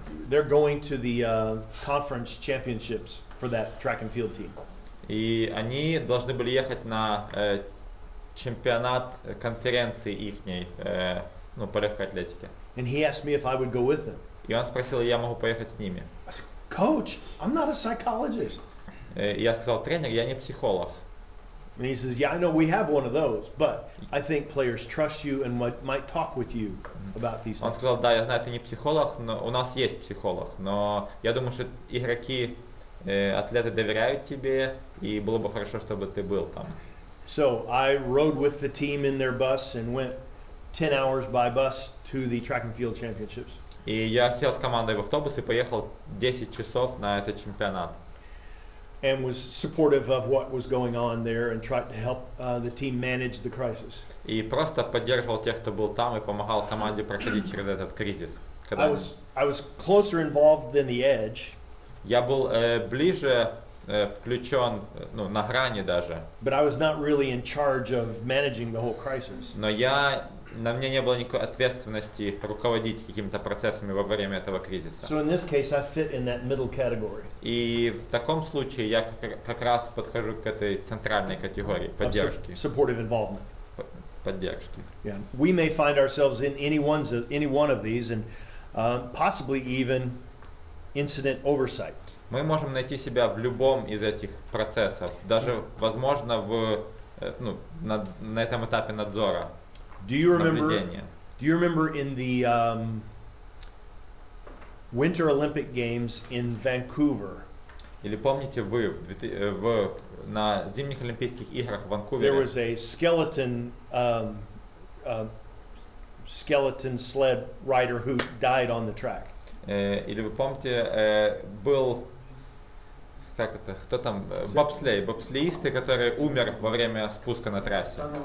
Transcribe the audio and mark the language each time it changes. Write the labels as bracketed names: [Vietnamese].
[English] They're going to the conference championships for that track and field team. [Russian] И они должны были ехать на чемпионат конференции ихней, по легкой атлетике. [English] And he asked me if I would go with them. [Russian] И он спросил, я могу поехать с ними. [English] Coach, I'm not a psychologist. [Russian] Я сказал, тренер, я не психолог. [English] And he says, yeah, I know we have one of those, but I think players trust you and might talk with you about these things. [Russian] Он сказал, да, я знаю, ты не психолог, но у нас есть психолог, но я думаю, что игроки, атлеты доверяют тебе, и было бы хорошо, чтобы ты был там. [English] So I rode with the team in their bus and went 10 hours by bus to the track and field championships. [Russian] И я сел с командой в автобус и поехал 10 часов на этот чемпионат. [English] and was supportive of what was going on there and tried to help the team manage the crisis. [Russian] И просто поддерживал тех, кто был там, и помогал команде проходить через этот кризис. [English] I was closer involved than the edge. [Russian] Я был ближе включен, ну, на грани даже. [English] But I was not really in charge of managing the whole crisis. [Russian] Но я, на мне не было никакой ответственности руководить какими-то процессами во время этого кризиса. [English] So in this case, I fit in that middle category. [Russian] И в таком случае я как раз подхожу к этой центральной категории поддержки. [English] Of supportive involvement. [Russian] Поддержки. [English] Yeah. We may find ourselves in any one of these, and possibly even incident oversight. [Russian] Мы можем найти себя в любом из этих процессов, даже, возможно, в, ну, на этом этапе надзора. [English] Do you remember in the Winter Olympic Games in Vancouver? [Russian] Или помните вы в на зимних олимпийских играх в Ванкувере? [English] There was a skeleton sled rider who died on the track. [Russian] Или вы помните, был, как это, кто там, бобслеисты, который умер во время спуска на трассе.